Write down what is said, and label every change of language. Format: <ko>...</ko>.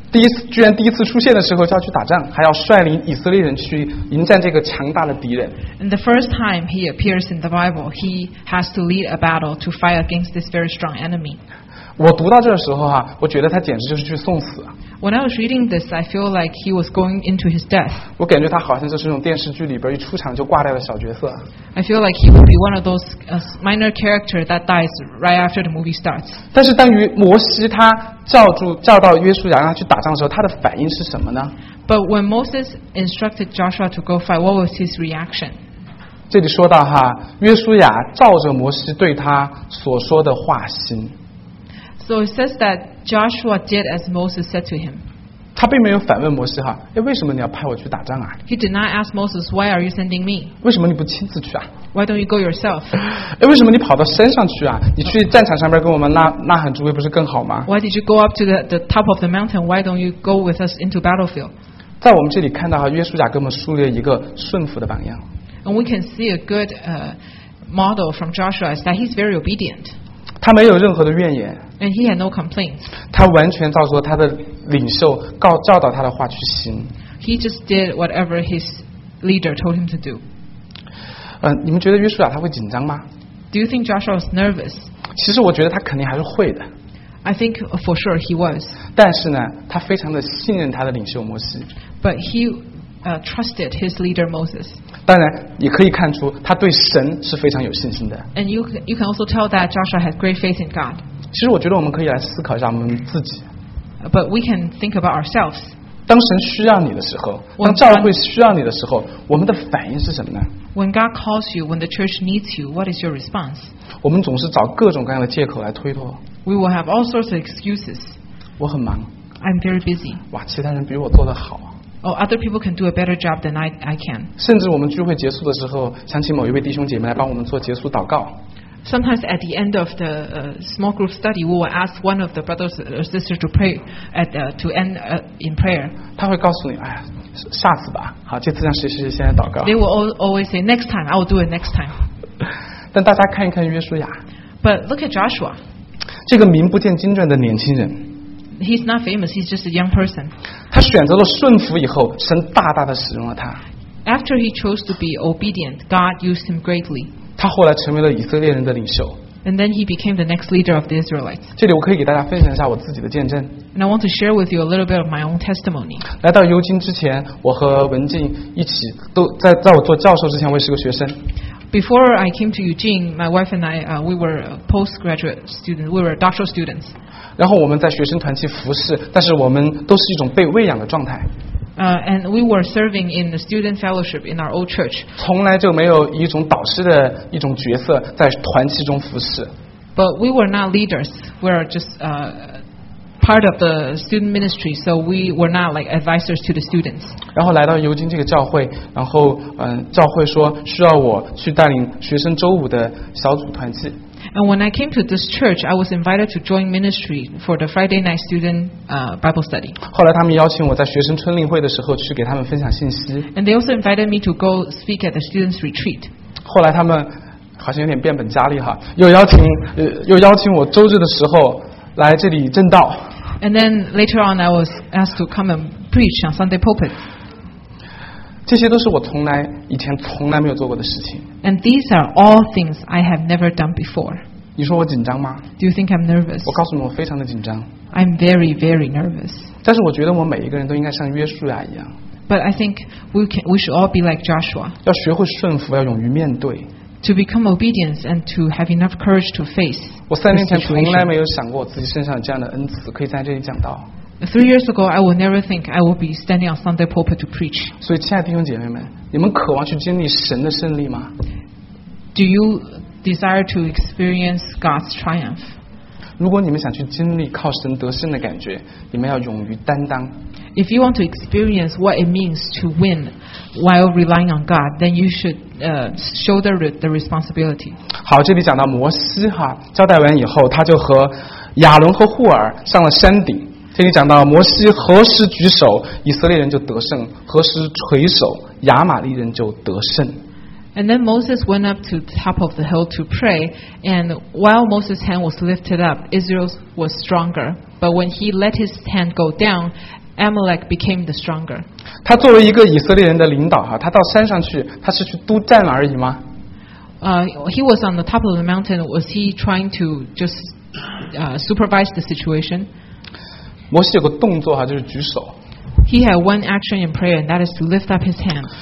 <zh>第一次居然第一次出现的时候就要去打仗，还要率领以色列人去迎战这个强大的敌人。</zh> <en>And the first time he appears in the Bible, he has to lead a battle to fight against this very strong enemy.</en> <zh>我读到这时候哈、啊，我觉得他简直就是去送死。</zh> <en>When I was reading this, I feel like he was going into his death.</en> <zh>我感觉他好像就是那种电视剧里边一出场就挂掉的小角色。</zh> <en>I feel like he would be one of those minor characters that dies right after the movie starts.</en> <zh>但是当于摩西他叫到约书亚让他去打仗的时候，他的反应是什么呢？</zh> <en>But when Moses instructed Joshua to go fight, what was his reaction?</en> <zh>这里说到哈，约书亚照着摩西对他所说的话行。</zh> <en>So it says that Joshua did as Moses said to him.</en> <zh>他并没有反问摩西哈，哎，为什么你要派我去打仗啊？</zh> <en>He did not ask Moses, why are you sending me?</en> <zh>为什么你不亲自去啊？</zh> <en>Why don't you go yourself?</en> <zh>哎，为什么你跑到山上去啊？你去战场上面跟我们呐喊助威不是更好吗？</zh> <en>Why did you go up to the top of the mountain? Why don't you go with us into battlefield?</en> <zh>在我们这里看到哈，约书亚给我们树立一个顺服的榜样。</zh> <en>And we can see a good model from Joshua is that he's very obedient.</en> <zh>他没有任何的怨言</zh> <en>and he had no complaints.</en> <zh>他完全照着他的领袖教导他的话去行</zh> <en>He just did whatever his leader told him to do.</en> <zh>你们觉得约书亚他会紧张吗</zh> <en>Do you think Joshua was nervous?</en> <zh>其实我觉得他肯定还是会的</zh> <en>I think for sure he was.</en> <zh>但是呢他非常的信任他的领袖摩西</zh> <en>But he trusted his leader Moses.</en> <zh>当然也可以看出他对神是非常有信心的</zh> <en>And you can also tell that Joshua has great faith in God</en> <zh>其实我觉得我们可以来思考一下我们自己</zh> <en>But we can think about ourselves</en> <zh>当神需要你的时候当教会需要你的时候我们的反应是什么呢</zh> <en>When God calls you, when the church needs you, what is your response?</en> <zh>我们总是找各种各样的借口来推脱</zh> <en>We will have all sorts of excuses</en> <zh>我很忙</zh> <en>I'm very busy</en> <zh>哇，其他人比我做得好</zh> <en>Oh, other people can do a better job than I can.</en> <zh>甚至我们聚会结束的时候，想请某一位弟兄姐妹来帮我们做结束祷告。</zh> <en>Sometimes at the end of the small group study, we will ask one of the brothers or sisters to pray at to end in prayer.</en> <zh>他会告诉你，哎，下次吧。好，这次让谁谁谁先来祷告。</zh> <en>They will always say next time. I will do it next time.</en> <zh>但大家看一看约书亚。</zh> <en>But look at Joshua.</en> <zh>这个名不见经传的年轻人。</zh> <en>He's not famous. He's just a young person.</en> <zh>他选择了顺服以后，神大大的使用了他。</zh> <en>After he chose to be obedient, God used him greatly.</en> <zh>他后来成为了以色列人的领袖。</zh> <en>And then he became the next leader of the Israelites.</en> <zh>这里我可以给大家分享一下我自己的见证。</zh> <en>And I want to share with you a little bit of my own testimony.</en> <zh>来到尤金之前，我和文静一起都在我做教授之前，我也是个学生。</zh> <en>Before I came to Eugene, my wife and I, we were postgraduate students. We were doctoral students.</en> <zh>然后我们在学生团去服侍，但是我们都是一种被喂养的状态。</zh> <en>And we were serving in the student fellowship in our old church.</en> <zh>从来就没有一种导师的一种角色在团契中服侍。</zh> <en>But we were not leaders. We were just part of the student ministry, so we were not like advisors to the students.</en> <zh>然后来到尤金这个教会，然后教会说需要我去带领学生周五的小组团契。</zh> <en>And when I came to this church, I was invited to join ministry for the Friday night student Bible study.</en> <zh>后来他们邀请我在学生春令会的时候去给他们分享信息。</zh> <en>And they also invited me to go speak at the students' retreat.</en> <zh>后来他们好像有点变本加厉哈，又邀请我周日的时候来这里证道。</zh> <en>And then later on, I was asked to come and preach on Sunday pulpit.</en> <zh>这些都是我从来以前从来没有做过的事情。</zh> <en>And these are all things I have never done before.</en> <zh>你说我紧张吗</zh> <en>？Do you think I'm nervous?</en> <zh>我告诉你，我非常的紧张。</zh> <en>I'm very, very nervous.</en> <zh>但是我觉得我每一个人都应该像约书亚一样。</zh> <en>But I think we should all be like Joshua.</en> <zh>要学会顺服，要勇于面对。</zh> <en>To become obedient and to have enough courage to face.</en> <zh>我三年前从来没有想过我自己身上这样的恩赐可以在这里讲到。</zh> <en>3 years ago, I would never think I would be standing on Sunday pulpit to preach.</en> <zh>所以，亲爱的弟兄姐妹们，你们渴望去经历神的胜利吗</zh> <en>？Do you desire to experience God's triumph?</en> <zh>如果你们想去经历靠神得胜的感觉，你们要勇于担当。</zh> <en>If you want to experience what it means to win while relying on God, then you should shoulder the responsibility.</en> <zh>好，这里讲到摩西哈，交代完以后，他就和亚伦和户尔上了山顶。这里讲到摩西何时举手，以色列人就得胜；何时垂手，亚玛力人就得胜。</zh> <en>And then Moses went up to the top of the hill to pray. And while Moses' hand was lifted up, Israel was stronger. But when he let his hand go down, Amalek became the stronger.</en> <zh>他作为一个以色列人的领导，他到山上去，他是去督战而已吗？</zh> <en>He was on the top of the mountain. Was he trying to just supervise the situation?</en> <zh>摩西有个动作，就是举手。</zh> <en>He had one action in prayer, and that is to lift up his hand.</en>